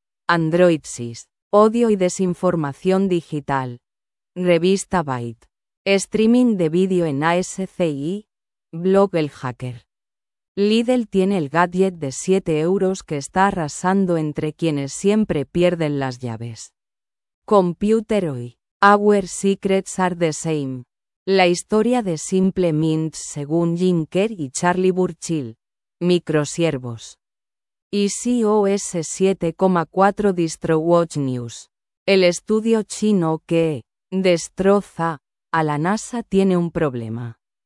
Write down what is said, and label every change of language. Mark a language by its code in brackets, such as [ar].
[es] Android 6. Odio y desinformación digital. Revista Byte. Streaming de vídeo en ASCII. Blog El Hacker. Lidl tiene el gadget de 7 euros que está arrasando entre quienes siempre pierden las llaves. Computer Hoy. [en] Our secrets are the same. [es] La historia de Simple Mint según Jim Kerr y Charlie Burchill. Microsiervos. iOS 7.4 DistroWatch News. El estudio chino que destroza a la NASA tiene un problema.